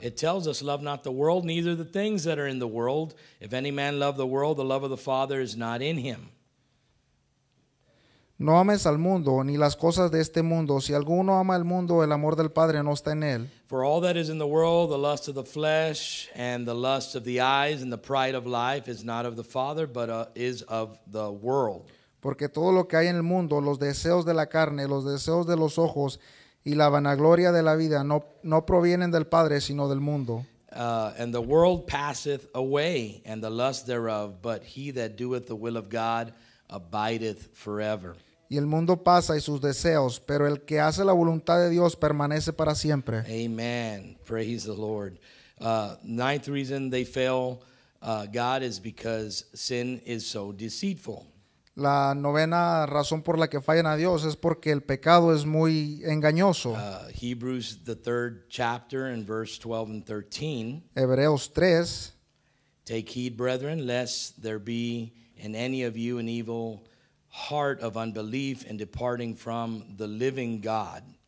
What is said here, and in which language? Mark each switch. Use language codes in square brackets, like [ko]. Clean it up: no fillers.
[en] It tells us, love not the world, neither the things that are in the world. If any man love the world, the love of the Father is not in him. [es] No ames al mundo, ni las cosas de este mundo. Si alguno ama al mundo, el amor del Padre no está en él. [en] For all that is in the world, the lust of the flesh, and the lust of the eyes, and the pride of life, is not of the Father, but is of the world. [es] Porque todo lo que hay en el mundo, los deseos de la carne, los deseos de los ojos, y la vanagloria de la vida, no provienen del Padre, sino del mundo. [en] And the world passeth away, and the lust thereof, but he that doeth the will of God abideth forever. [es] Y el mundo pasa y sus deseos, pero el que hace la voluntad de Dios permanece para siempre. [en] Amen. Praise the Lord. Ninth reason they fail God is because sin is so deceitful. [es] La novena razón por la que fallan a Dios es porque el pecado es muy engañoso. [en] Hebrews the third chapter in verse 12 and 13. [es] Hebreos 3. [en] Take heed, brethren, lest there be in any of you an evil heart of unbelief in departing from the living God.